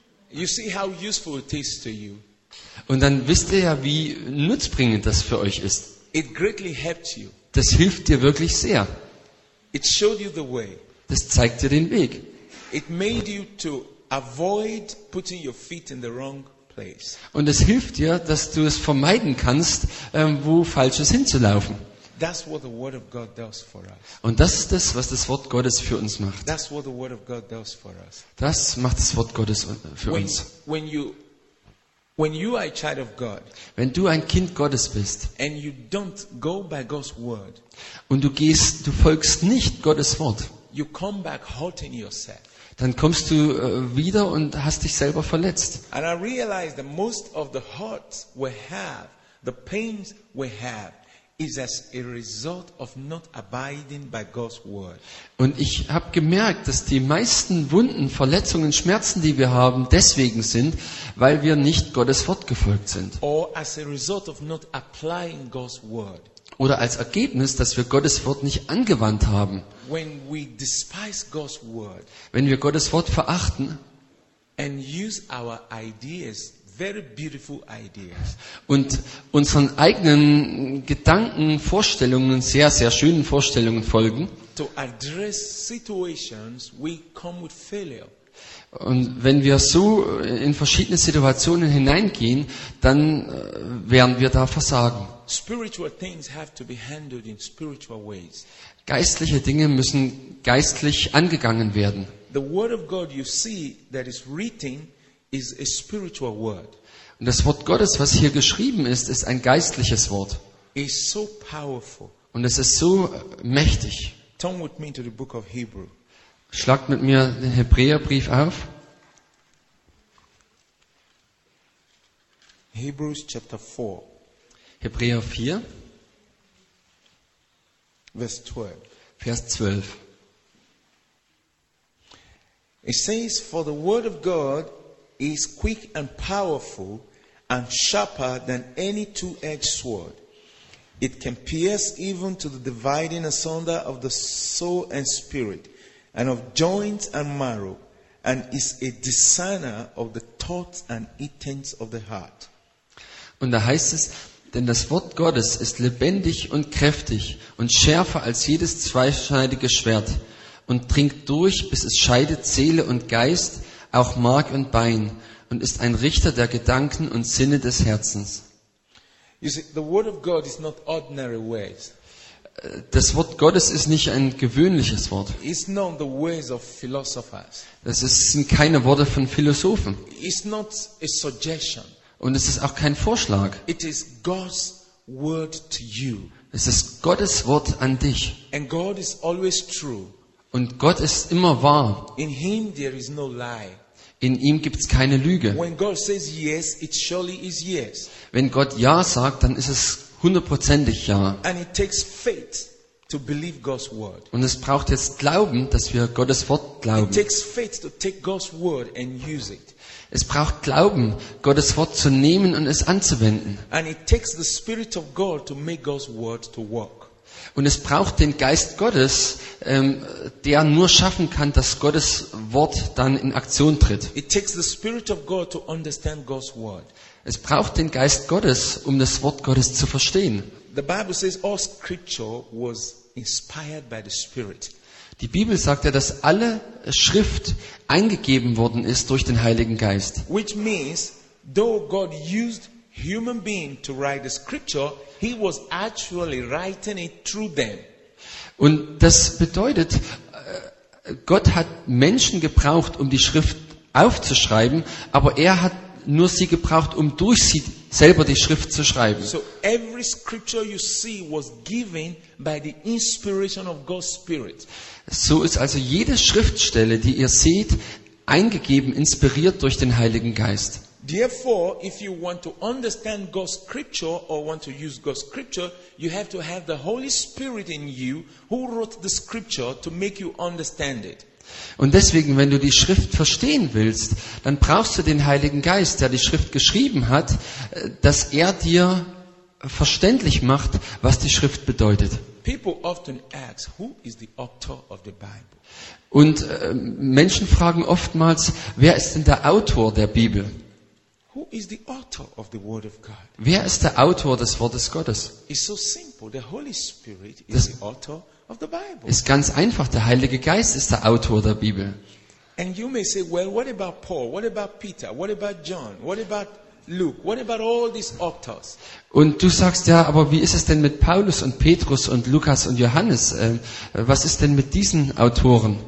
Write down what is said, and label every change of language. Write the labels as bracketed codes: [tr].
[en] You see how useful it is to you. [de] Und dann wisst ihr ja, wie nutzbringend das für euch ist. [en] It greatly helps you. [de] Das hilft dir wirklich sehr. [en] It showed you the way. [de] Das zeigt dir den Weg. [en] It made you to avoid putting your feet in the wrong place. [de] Und es hilft dir, dass du es vermeiden kannst, wo Falsches hinzulaufen. [en] That's what the word of God does for us. [de] Und das ist das, was das Wort Gottes für uns macht. [en] That's what the word of God does for us. [de] Das macht das Wort Gottes für uns. [en] When you are a child of God, [de] wenn du ein Kind Gottes bist, [en] and you don't go by God's word, [de] und du folgst nicht Gottes Wort, [en] you come back hurting yourself. [de] Dann kommst du wieder und hast dich selber verletzt. [en] And I realize that most of the hurts we have, the pains we have, is as a result of not abiding by God's word. [de] Und ich habe gemerkt, dass die meisten Wunden, Verletzungen, Schmerzen, die wir haben, deswegen sind, weil wir nicht Gottes Wort gefolgt sind. [en] Or as a result of not applying God's word. [de] Oder als Ergebnis, dass wir Gottes Wort nicht angewandt haben. [en] When we despise God's word. [de] Wenn wir Gottes Wort verachten. [en] And use our ideas. Very beautiful ideas. [de] Und unseren eigenen Gedanken, Vorstellungen, sehr, sehr schönen Vorstellungen folgen. [en] To address situations, we come with failure. [de] Und wenn wir so in verschiedene Situationen hineingehen, dann werden wir da versagen. [en] Spiritual things have to be handled in spiritual ways. [de] Geistliche Dinge müssen geistlich angegangen werden. [en] The word of God you see that is written is a spiritual word. [de] Und das Wort Gottes, was hier geschrieben ist, ist ein geistliches Wort. [en] It's so powerful. [de] Und es ist so mächtig. [en] Turn with me to the book of Hebrew. [de] Schlagt mit mir den Hebräerbrief auf. [en] Hebrews chapter 4. [de] Hebräer 4. [en] Verse 12. [de] Vers 12. [en] It says, for the word of God is quick and powerful and sharper than any two-edged sword. It can pierce even to the dividing asunder of the soul and spirit, and of joints and marrow, and is a discerner of the thoughts and intents of the heart. [de] Und da heißt es, denn das Wort Gottes ist lebendig und kräftig und schärfer als jedes zweischneidige Schwert. Und dringt durch, bis es scheidet Seele und Geist, auch Mark und Bein, und ist ein Richter der Gedanken und Sinne des Herzens. [en] You see, the word of God is not ordinary words. [de] Das Wort Gottes ist nicht ein gewöhnliches Wort. [en] It's not the ways of philosophers. [de] Das sind keine Worte von Philosophen. [en] It's not a suggestion. [de] Und es ist auch kein Vorschlag. [en] It is God's word to you. [de] Es ist Gottes Wort an dich. [en] And God is always true. [de] Und Gott ist immer wahr. [en] In him there is no lie. [de] In ihm gibt es keine Lüge. [en] When God says yes, it surely is yes. [de] Wenn Gott ja sagt, dann ist es hundertprozentig ja. [en] And it takes faith to believe God's word. [de] Und es braucht jetzt Glauben, dass wir Gottes Wort glauben. [en] It takes faith to take God's word and use it. [de] Es braucht Glauben, Gottes Wort zu nehmen und es anzuwenden. [en] And it takes the Spirit of God to make God's word to work. [de] Und es braucht den Geist Gottes, der nur schaffen kann, dass Gottes Wort dann in Aktion tritt. [en] It takes the Spirit of God to understand God's word. [de] Es braucht den Geist Gottes, um das Wort Gottes zu verstehen. [en] The Bible says all scripture was inspired by the Spirit. [de] Die Bibel sagt ja, dass alle Schrift eingegeben worden ist durch den Heiligen Geist. [en] Which means, though God used human being to write the scripture, he was actually writing it through them. [de] Und das bedeutet, Gott hat Menschen gebraucht, um die Schrift aufzuschreiben, aber er hat nur sie gebraucht, um durch sie selber die Schrift zu schreiben. [en] So every scripture you see was given by the inspiration of God's Spirit. [de] So ist also jede Schriftstelle, die ihr seht, eingegeben, inspiriert durch den Heiligen Geist. [en] Therefore, if you want to understand God's scripture or want to use God's scripture, you have to have the Holy Spirit in you who wrote the scripture to make you understand it. [de] Und deswegen, wenn du die Schrift verstehen willst, dann brauchst du den Heiligen Geist, der die Schrift geschrieben hat, dass er dir verständlich macht, was die Schrift bedeutet. [en] People often ask, who is the author of the Bible? [de] Und Menschen fragen oftmals, wer ist denn der Autor der Bibel? [en] Who is the author of the word of God? [de] Wer ist der Autor des Wortes Gottes? [en] It's so simple. The Holy Spirit is the author of the Bible. [de] Ist ganz einfach. Der Heilige Geist ist der Autor der Bibel. [en] And you may say, well, what about Paul? What about Peter? What about John? What about Luke? What about all these authors? [de] Und du sagst ja, aber wie ist es denn mit Paulus und Petrus und Lukas und Johannes? Was ist denn mit diesen Autoren?